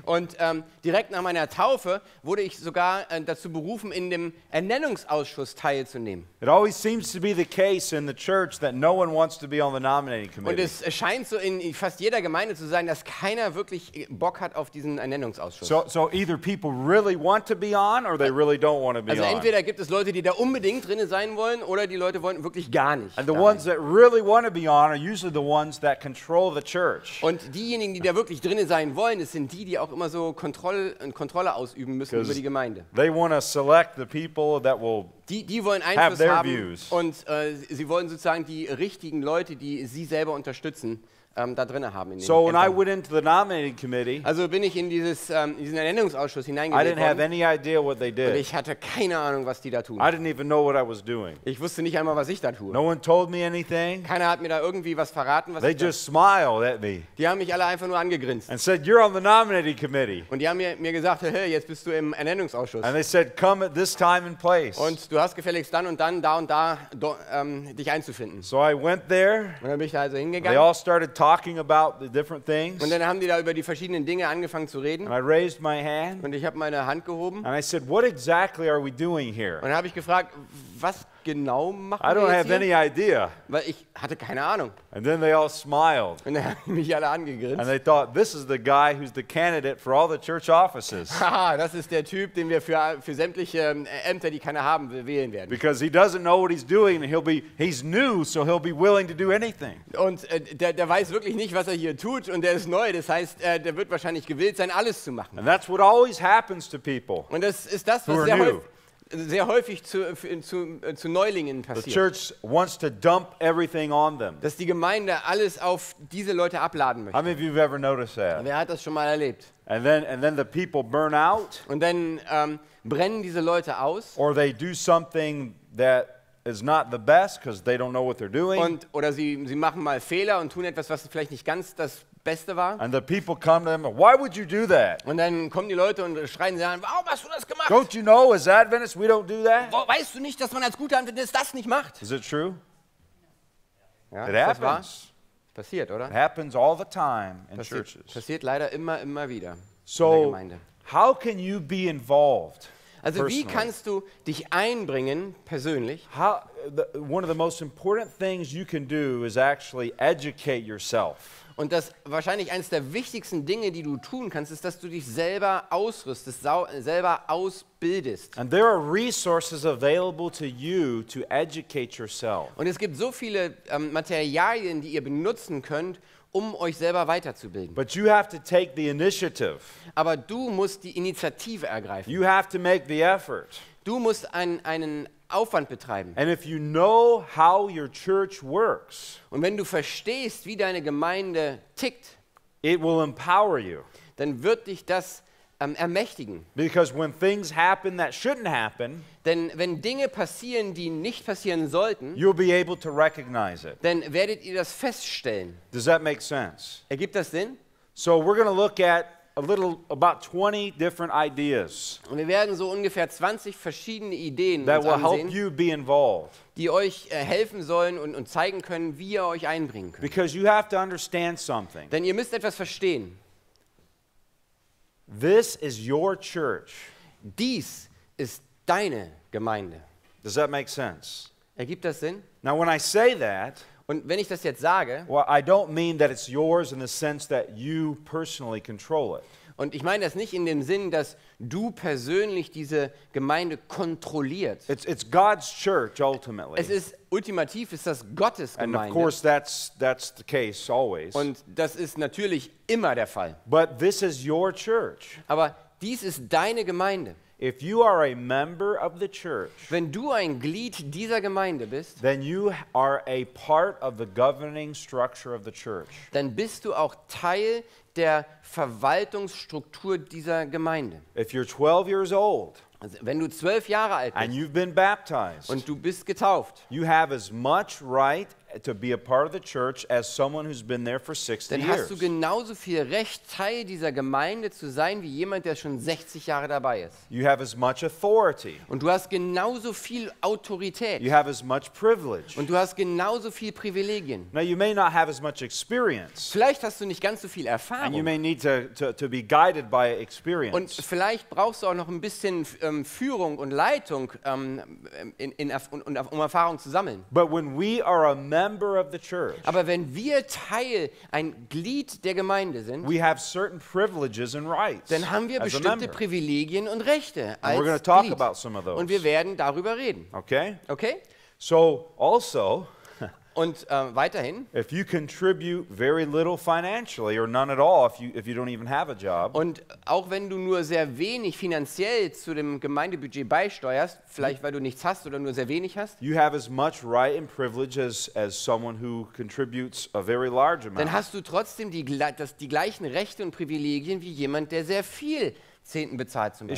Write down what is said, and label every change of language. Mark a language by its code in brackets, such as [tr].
[de] Und direkt nach meiner Taufe wurde ich sogar dazu berufen, in dem Ernennungsausschuss teilzunehmen. [en] It always seems to be the case in the church that no one wants to be on the nominating committee. [de] Und es scheint so in fast jeder Gemeinde zu sein, dass keiner wirklich Bock hat auf diesen Ernennungsausschuss. [en] So either people really want to be on, or they really don't want to be [de] also [en] on. [de] Also entweder gibt es Leute, die da unbedingt drin sein wollen, oder die Leute wollen wirklich gar nicht. [en] And the ones that really want to be on are usually the ones that control the church. [de] Und diejenigen, die da wirklich drin sein wollen, es sind die, die auch immer so Kontrolle ausüben müssen über die Gemeinde. [en] They want to select the people that will [de] die wollen Einfluss [en] have their [de] haben [en] views. [de] Und sie wollen sozusagen die richtigen Leute, die sie selber unterstützen, da drinne haben in [en] so when I went into the nominating committee, [de] also bin ich in diesen Ernennungsausschuss hineingegangen. [en] I didn't have any idea what they did. [de] Und ich hatte keine Ahnung, was die da tun. [en] I didn't even know what I was doing. [de] Ich wusste nicht einmal, was ich da tue. [en] No one told me anything. [de] Keiner hat mir da irgendwie was verraten, was [en] they [de] ich [en] just smiled at me. [de] Die haben mich alle einfach nur angegrinst. [en] And said, you're on the nominating committee. [de] Und die haben mir gesagt, hey, jetzt bist du im Ernennungsausschuss. [en] And they said, come at this time and place. [de] Und du hast gefälligst dann und dann da und da dich einzufinden. [en] So I went there. [de] Und dann bin ich da also hingegangen. [en] They all started talking about the different things. [de] Und dann haben die da über die verschiedenen Dinge angefangen zu reden. [en] And I raised my hand. [de] Und ich habe meine Hand gehoben. [en] And I said, what exactly are we doing here? [de] Und dann habe ich gefragt, was genau machen [en] I don't [de] wir [en] have [de] hier? [en] Any idea. [de] Weil ich hatte keine Ahnung. [en] And then they all smiled. [de] Und dann haben mich alle angegrinst. [en] And they thought, this is the guy who's the candidate for all the church offices. [de] Das ist der Typ, den wir für sämtliche Ämter, die keiner haben, wählen werden. [en] Because he doesn't know what he's doing and he's new, so he'll be willing to do anything. [de] Und der weiß wirklich nicht, was er hier tut, und der ist neu, das heißt, der wird wahrscheinlich gewillt sein, alles zu machen. [en] And that's what always happens to people. [de] Und das ist das, was sehr sehr häufig zu Neulingen passiert. [en] The church wants to dump everything on them. [de] Dass die Gemeinde alles auf diese Leute abladen möchte. [en] How many of you have ever noticed that? [de] Wer hat das schon mal erlebt? [en] And then the people burn out. [de] Und dann brennen diese Leute aus. [en] Or they do something that is not the best because they don't know what they're doing. [de] Und oder sie machen mal Fehler und tun etwas, was vielleicht nicht ganz das Beste war. [en] And the people come to them, why would you do that? [de] Und dann kommen die Leute und schreien sie an, warum hast du das gemacht? [en] Don't you know as Adventists we don't do that? [de] Weißt du nicht, dass man als guter Adventist das nicht macht? [en] Is it true? [de] Ja, [en] it happens. [de] Das passiert, oder? [en] It happens all the time in churches. [de] Passiert leider immer wieder so in der Gemeinde. [en] How can you be involved? [de] Also wie kannst du dich einbringen persönlich? [en] One of the most important things you can do is actually educate yourself. [de] Und das wahrscheinlich eines der wichtigsten Dinge, die du tun kannst, ist, dass du dich selber ausrüstest, selber ausbildest. [en] And there are resources available to you to educate yourself. [de] Und es gibt so viele Materialien, die ihr benutzen könnt, um euch selber weiterzubilden. [en] But you have to take the initiative. [de] Aber du musst die Initiative ergreifen. [en] You have to make the effort. [de] Du musst einen Aufwand betreiben. [en] And if you know how your church works, [de] und wenn du verstehst, wie deine Gemeinde tickt, [en] it will empower you. [de] Dann wird dich das ermächtigen. [en] Because when things happen that shouldn't happen, [de] denn wenn Dinge passieren, die nicht passieren sollten, [en] you'll be able to recognize it. [de] Dann werdet ihr das feststellen. [en] Does that make sense? [de] Ergibt das Sinn? [en] So we're going to look at about 20 different ideas. [de] Und wir werden so ungefähr 20 verschiedene Ideen [en] that will help you be involved. [de] Die euch helfen sollen und zeigen können, wie ihr euch einbringen könnt. [en] Because you have to understand something. [de] Denn ihr müsst etwas verstehen. [en] This is your church. [de] Dies ist deine Gemeinde. [en] Does that make sense? [de] Ergibt das Sinn? [en] Now when I say that, [de] und wenn ich das jetzt sage, [en] well, I don't mean that it's yours in the sense that you personally control it. [de] Und ich meine das nicht in dem Sinn, dass du persönlich diese Gemeinde kontrollierst. [en] It's God's church ultimately. [de] Es ist ultimativ ist das Gottes Gemeinde. [en] And of course that's the case always. [de] Und das ist natürlich immer der Fall. [en] But this is your church. [de] Aber dies ist deine Gemeinde. [en] If you are a member of the church, [de] wenn du ein Glied dieser Gemeinde bist, [en] then you are a part of the governing structure of the church. [de] Dann bist du auch Teil der Verwaltungsstruktur dieser Gemeinde. [en] If you're 12 years old, [de] Wenn du 12 Jahre alt bist, [en] and you've been baptized, [de] und du bist getauft, [en] you have as much right to be a part of the church as someone who's been there for 60 years. [de] Dann hast du genauso viel Recht, Teil dieser Gemeinde zu sein, wie jemand, der schon 60 Jahre dabei ist. [en] You have as much authority. [de] Und du hast genauso viel Autorität. [en] You have as much privilege. [de] Und du hast genauso viel Privilegien. [en] Now you may not have as much experience. [de] Vielleicht hast du nicht ganz so viel Erfahrung. [en] And you may need to be guided by experience. [de] Und vielleicht brauchst du auch noch ein bisschen Führung und Leitung, um Erfahrung zu sammeln. [en] But when we are a member of the church. [de] Aber wenn wir Teil, ein Glied der Gemeinde sind, [en] we have certain privileges and rights. [de] Dann haben wir bestimmte Privilegien und Rechte als Glied. [en] We're going to talk about some of those. [de] Und wir werden darüber reden. [en] Okay? Okay? So also [de] und weiterhin, [en] if you contribute very little financially or none at all, if you don't even have a job, [de] und auch wenn du nur sehr wenig finanziell zu dem Gemeindebudget beisteuerst, vielleicht weil du nichts hast oder nur sehr wenig hast, [en] you have as much right and privilege as someone who contributes a very large amount. [de] Dann hast du trotzdem die gleichen Rechte und Privilegien wie jemand, der sehr viel Zehnten bezahlt zum Beispiel.